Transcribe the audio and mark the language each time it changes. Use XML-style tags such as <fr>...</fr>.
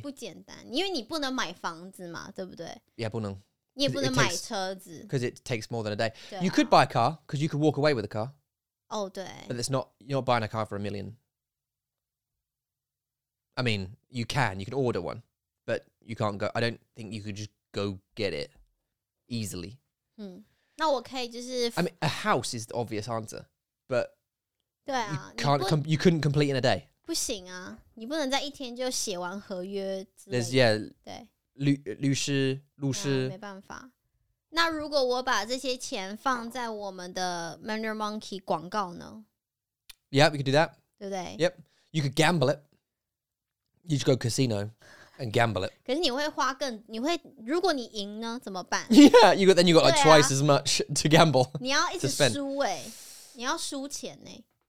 <zh>不简单，因为你不能买房子嘛，对不对？ Yeah, 不能。你也不能买车子。</zh> <en>Because it takes more than a day. You could buy a car, because you could walk away with a car. Oh, 对。 But it's not, you're not buying a car for a million. I mean, you can order one. But you can't go, I don't think you could just go get it easily.</en> <zh>嗯，那我可以就是。</zh> <en>I mean, a house is the obvious answer. But</en> <zh>对啊,</zh> <en>you couldn't complete in a day.</en> <zh>不行啊，你不能在一天就写完合约之类的。Yeah, 对，律师、啊，没办法。那如果我把这些钱放在我们的 Mandarin Monkey 广告呢</zh> <en>？Yeah, we could do that.</en> <zh>对不对</zh> <en>？Yep, you could gamble it. You just go casino and gamble it.</en> <zh>可是你会花更，你会如果你赢呢怎么办</zh> <en>？Yeah, you got like twice as much to gamble.</en> <zh>你要一直输欸，你要输钱欸。</zh>